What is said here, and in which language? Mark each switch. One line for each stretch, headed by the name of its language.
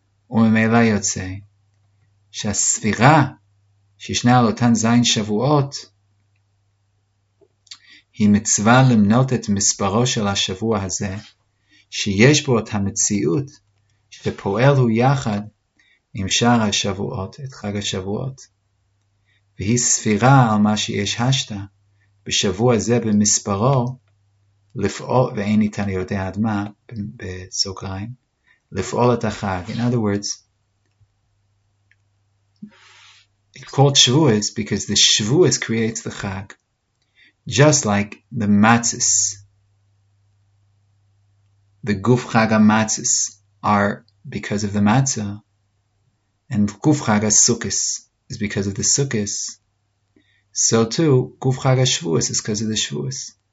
Hebrew: Umemela yotze, sheh-Sfira, sheshna al-Otan zayin Shavuot, hi mitzvah limnot et mispero shel ha-Shavu hazeh, שיש בו את המציאות שפועל הוא יחד עם שער השבועות, את חג השבועות. והיא ספירה על מה שיש השתה בשבוע זה במספרו לפעול, ואין ניתן יודע עד מה, בסוגריים, לפעול את החג.
English: In other words, it called Shavuos because the Shavuos creates the Chag. Just like the Matzis, the Guf Chag HaMatzis are because of the Matzah, and Guf Chag HaSukkos is because of the Sukkos, so too, Guf Chag HaShavuos is because of the Shavuos.